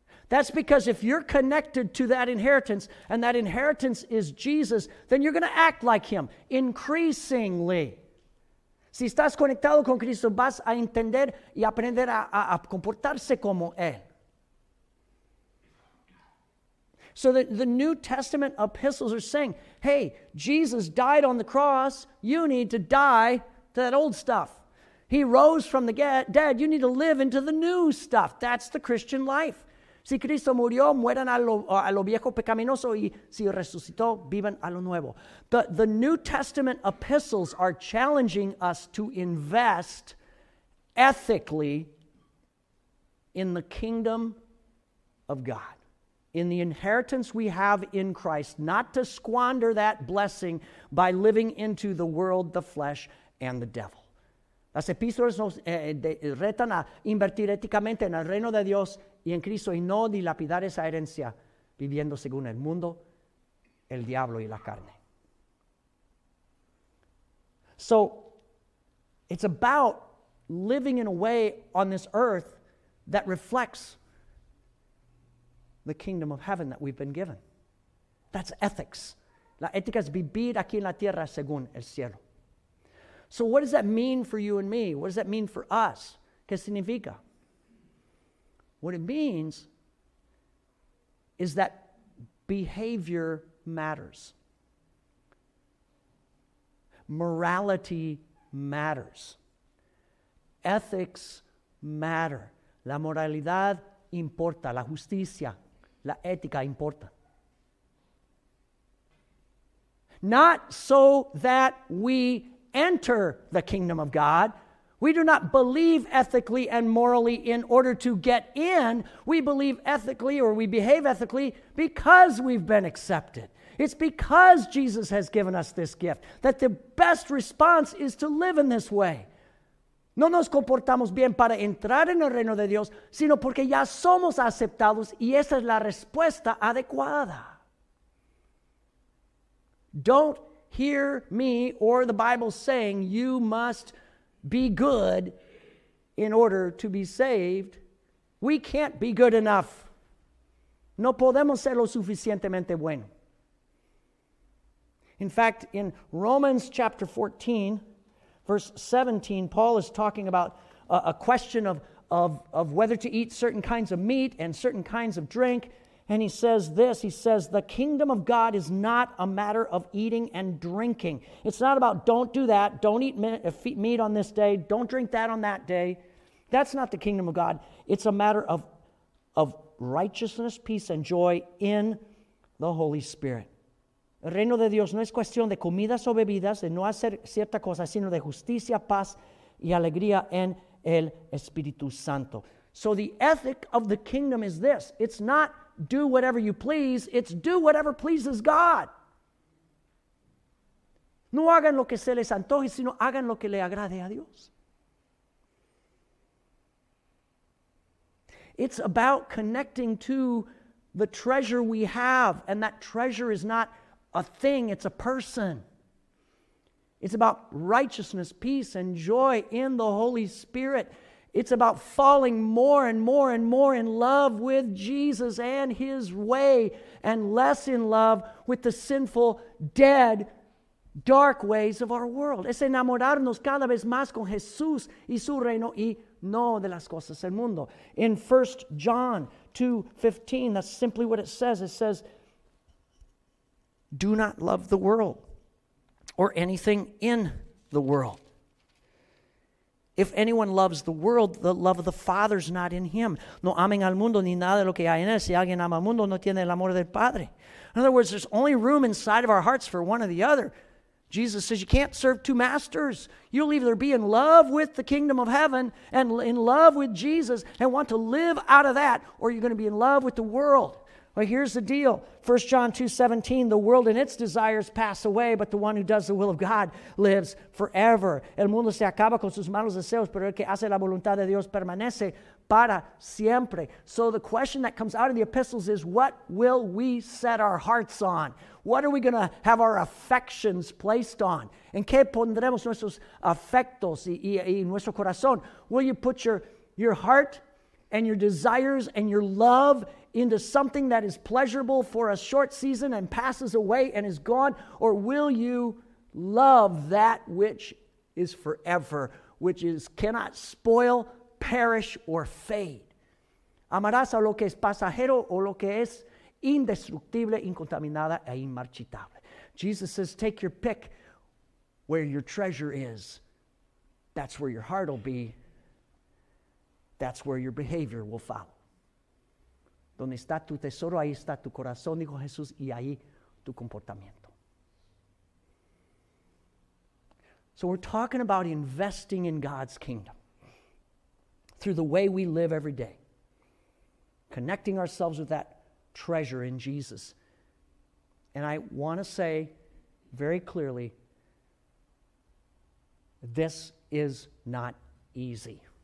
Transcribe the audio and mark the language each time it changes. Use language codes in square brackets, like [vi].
[en] That's because if you're connected to that inheritance, and that inheritance is Jesus, then you're going to act like him increasingly. [es] Si estás conectado con Cristo, vas a entender y aprender a comportarse como él. [en] So the New Testament epistles are saying, hey, Jesus died on the cross. You need to die to that old stuff. He rose from the dead. You need to live into the new stuff. That's the Christian life. [es] Si Cristo murió, mueran a lo viejo pecaminoso, y si resucitó, vivan a lo nuevo. [en] The New Testament epistles are challenging us to invest ethically in the kingdom of God. in the inheritance we have in Christ, not to squander that blessing by living into the world, the flesh, and the devil. [es] Las epístolas nos retan a invertir éticamente en el reino de Dios y en Cristo y no dilapidar esa herencia viviendo según el mundo, el diablo y la carne. [en] So, it's about living in a way on this earth that reflects the kingdom of heaven that we've been given. That's ethics. [es] La ética es vivir aquí en la tierra según el cielo. [en] So what does that mean for you and me? What does that mean for us? [es] ¿Qué significa? [en] What it means is that behavior matters. Morality matters. Ethics matter. [es] La moralidad importa. La justicia, la ética importa. [en] Not so that we enter the kingdom of God. We do not believe ethically and morally in order to get in. We believe ethically, or we behave ethically, because we've been accepted. It's because Jesus has given us this gift that the best response is to live in this way. [es] No nos comportamos bien para entrar en el reino de Dios, sino porque ya somos aceptados y esa es la respuesta adecuada. [en] Don't hear me or the Bible saying you must be good in order to be saved. We can't be good enough. [es] No podemos ser lo suficientemente bueno. [en] In fact, in Romans chapter 14, verse 17, Paul is talking about a question of whether to eat certain kinds of meat and certain kinds of drink. And he says this, he says, the kingdom of God is not a matter of eating and drinking. It's not about don't do that, don't eat meat on this day, don't drink that on that day. That's not the kingdom of God. It's a matter of righteousness, peace, and joy in the Holy Spirit. [es] El reino de Dios no es cuestión de comidas o bebidas, de no hacer cierta cosa, sino de justicia, paz, y alegría en el Espíritu Santo. [en] So the ethic of the kingdom is this. It's not do whatever you please, it's do whatever pleases God. [es] No hagan lo que se les antoje, sino hagan lo que le agrade a Dios. [en] It's about connecting to the treasure we have, and that treasure is not a thing, it's a person. It's about righteousness, peace, and joy in the Holy Spirit. It's about falling more and more and more in love with Jesus and his way, and less in love with the sinful, dead, dark ways of our world. [es] Es enamorarnos cada vez más con Jesús y su reino y no de las cosas del mundo. [en] In 1 John 2:15, that's simply what it says. It says, do not love the world or anything in the world. If anyone loves the world, the love of the Father is not in him. [es] No amen al mundo ni nada de lo que hay en él. Si alguien ama al mundo, no tiene el amor del Padre. [en] In other words, there's only room inside of our hearts for one or the other. Jesus says you can't serve two masters. You'll either be in love with the kingdom of heaven and in love with Jesus and want to live out of that, or you're going to be in love with the world. But here's the deal. 1 John 2:17, the world and its desires pass away, but the one who does the will of God lives forever. [es] El mundo se acaba con sus malos deseos, pero el que hace la voluntad de Dios permanece para siempre. [en] So the question that comes out of the epistles is, what will we set our hearts on? What are we going to have our affections placed on? [es] ¿En qué pondremos nuestros afectos y nuestro corazón? [en] Will you put your heart and your desires and your love into something that is pleasurable for a short season and passes away and is gone? Or will you love that which is forever, which is cannot spoil, perish, or fade? [es] ¿Amarás a lo que es pasajero o lo que es indestructible, incontaminada e inmarchitable? [en] Jesus says, take your pick. Where your treasure is, that's where your heart will be. That's where your behavior will follow. [es] Donde está tu tesoro, ahí está tu corazón, dijo Jesús, y ahí tu comportamiento. [en] So we're talking about investing in God's kingdom through the way we live every day, connecting ourselves with that treasure in Jesus. And I want to say very clearly, this is not easy.